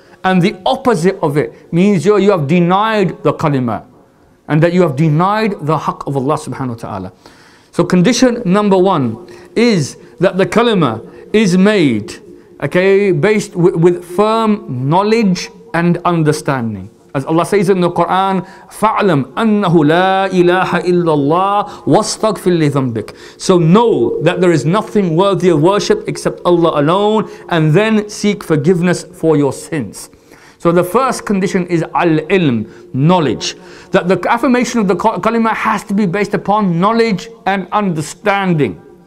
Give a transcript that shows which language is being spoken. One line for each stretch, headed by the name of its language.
English: And the opposite of it means you have denied the kalima, and that you have denied the haqq of Allah subhanahu wa ta'ala. So condition number one is that the kalima is made, okay, based with firm knowledge and understanding. As Allah says in the Quran,
Arabic: فَعْلَمْ أَنَّهُ لَا إِلَٰهَ إِلَّا اللَّهُ وَاسْتَغْفِرْ لِذَنْبِكَ.
English: So know that there is nothing worthy of worship except Allah alone, and then seek forgiveness for your sins. So the first condition is al-ilm, knowledge. That the affirmation of the kalima has to be based upon knowledge and understanding.